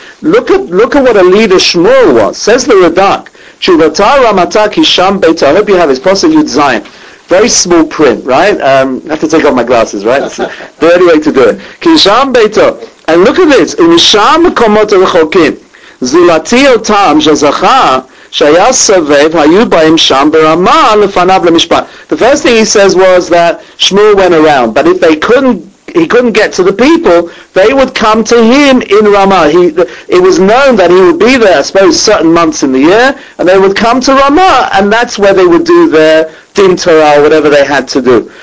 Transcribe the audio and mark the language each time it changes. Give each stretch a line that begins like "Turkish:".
English: Look at what a leader Shmuel was. Says the Radak,
Hebrew: Tshuvata Ramata Kisham Beita.
English: I hope you have his Pasuk Yud Zayin. Very small print, right? I have to take off my glasses, right? That's the only way to do it.
Hebrew: Kisham Beita.
English: And look at this.
Hebrew: In Sham Komot Rechokim. זולתי אותם שזכה שהיה סבב היו בהם שם ברמה לפניו למשפט.
English: The first thing he says was that Shmuel went around, but if they couldn't, he couldn't get to the people, they would come to him in Ramah. It was known that he would be there, I suppose, certain months in the year, and they would come to Ramah, and that's where they would do their Din Torah, whatever they had to do.